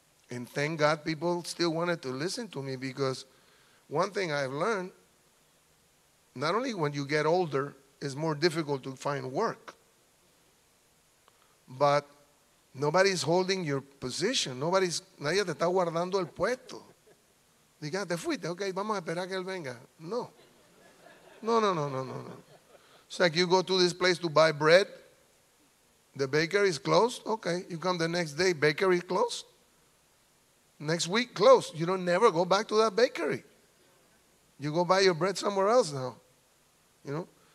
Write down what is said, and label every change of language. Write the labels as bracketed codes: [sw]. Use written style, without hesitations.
[en] And thank God people still wanted to listen to me, because one thing I've learned, not only when you get older, it's more difficult to find work, but nobody's holding your position. Nobody's, [es] nadie te está guardando el puesto. Diga, te fuiste, okay, vamos a esperar que él venga. No. No, no, no, no, no, no. [en] It's like you go to this place to buy bread, the bakery is closed, okay. You come the next day, bakery closed. Next week, close. You don't never go back to that bakery. You go buy your bread somewhere else now. You know?